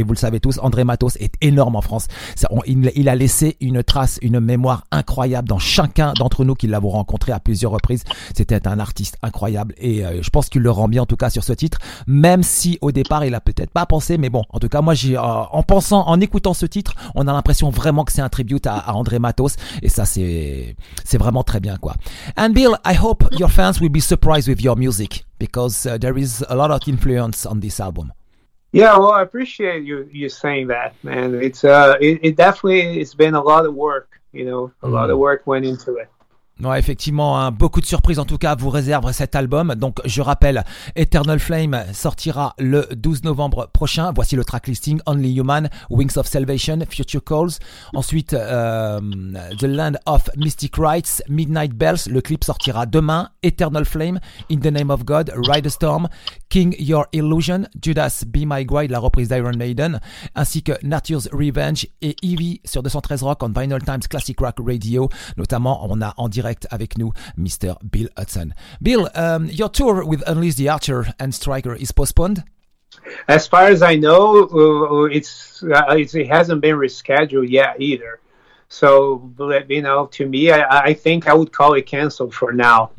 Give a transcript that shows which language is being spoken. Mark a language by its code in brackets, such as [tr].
[fr] Et vous le savez tous, André Matos est énorme en France. Il a laissé une trace, une mémoire incroyable dans chacun d'entre nous qui l'avons rencontré à plusieurs reprises. C'était un artiste incroyable et je pense qu'il le rend bien en tout cas sur ce titre, même si au départ il a peut-être pas pensé, mais bon, en tout cas moi j'ai en écoutant ce titre, on a l'impression vraiment que c'est un tribute à André Matos, et ça c'est vraiment très bien quoi. [en] And Bill, I hope your fans will be surprised with your music because there is a lot of influence on this album. Yeah, well, I appreciate you saying that, man. It's it definitely has been a lot of work, you know, a lot of work went into it. [fr] Ouais, effectivement, hein, beaucoup de surprises en tout cas vous réserve cet album. Donc je rappelle, Eternal Flame sortira le 12 novembre prochain. Voici le track listing: Only Human, Wings of Salvation, Future Calls. Ensuite, The Land of Mystic Rites, Midnight Bells. Le clip sortira demain. Eternal Flame, In the Name of God, Ride the Storm, King Your Illusion, Judas Be My Guide, la reprise d'Iron Maiden, ainsi que Nature's Revenge et Eevee sur 213 Rock on Vinyl Times Classic Rock Radio. Notamment, on a en direct avec nous, Mr. Bill Hudson. [en] Bill, your tour with Unleash the Archer and Striker is postponed? As far as I know, it hasn't been rescheduled yet either. So, you know, to me, I think I would call it canceled for now.